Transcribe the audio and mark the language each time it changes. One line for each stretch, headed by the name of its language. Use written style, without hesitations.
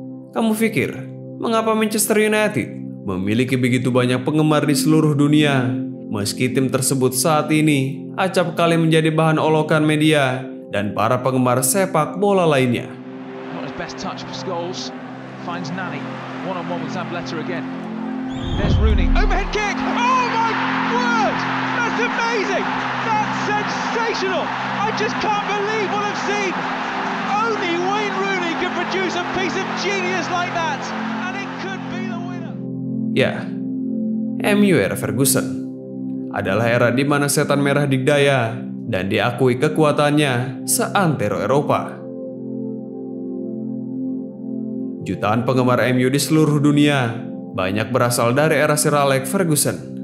Indonesian: Kamu pikir, mengapa Manchester United memiliki begitu banyak penggemar di seluruh dunia, meski tim tersebut saat ini acap kali menjadi bahan olokan media dan para penggemar sepak bola lainnya?
English: Not his best touch for goals. Finds Nani. One-on-one with Zabaleta again. There's Rooney. Overhead kick! Oh my word! That's amazing! That's sensational! I just can't believe what I've seen! Only Wayne Rooney can produce a piece of genius like that! And it could be the winner! Yeah.
Indonesian: MU era Ferguson adalah era di mana setan merah digdaya dan diakui kekuatannya seantero Eropa. Jutaan penggemar MU di seluruh dunia banyak berasal dari era Sir Alex Ferguson.